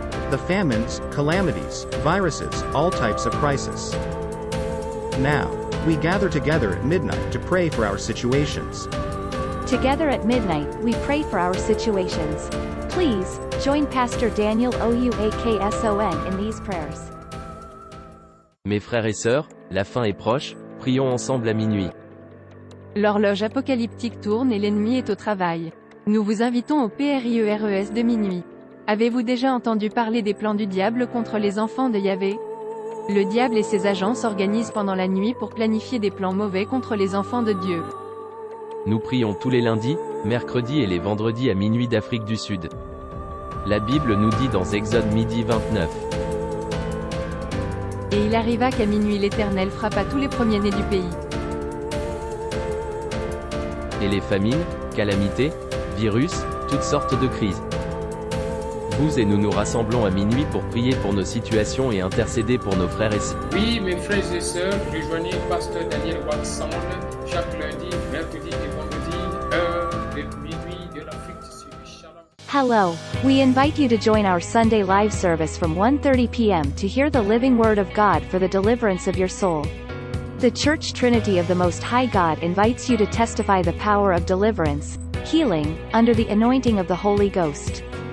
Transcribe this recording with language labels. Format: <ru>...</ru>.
<en>The famines, calamities, viruses, all types of crisis. Now, we gather together at midnight to pray for our situations. Together at midnight, we pray for our situations. Please, join Pastor Daniel Oukson in these prayers.</en> <fr>Mes frères et sœurs, la fin est proche, prions ensemble à minuit. L'horloge apocalyptique tourne et l'ennemi est au travail. Nous vous invitons au prières de minuit. Avez-vous déjà entendu parler des plans du diable contre les enfants de Yahvé? Le diable et ses agents s'organisent pendant la nuit pour planifier des plans mauvais contre les enfants de Dieu. Nous prions tous les lundis, mercredis et les vendredis à minuit d'Afrique du Sud. La Bible nous dit dans Exode midi 29. Et il arriva qu'à minuit l'Éternel frappa tous les premiers-nés du pays. Et les famines, calamités, virus, toutes sortes de crises. Vous et nous nous rassemblons à minuit pour prier pour nos situations et intercéder pour nos frères et sœurs. Oui, mes frères et sœurs, rejoignez Pasteur Daniel Watson chaque lundi, mercredi et vendredi, heure de minuit de l'Afrique du Sud.</fr> <en>Hello, we invite you to join our Sunday live service from 1:30 p.m. to hear the living word of God for the deliverance of your soul. The Church Trinity of the Most High God invites you to testify the power of deliverance, healing, under the anointing of the Holy Ghost.</en>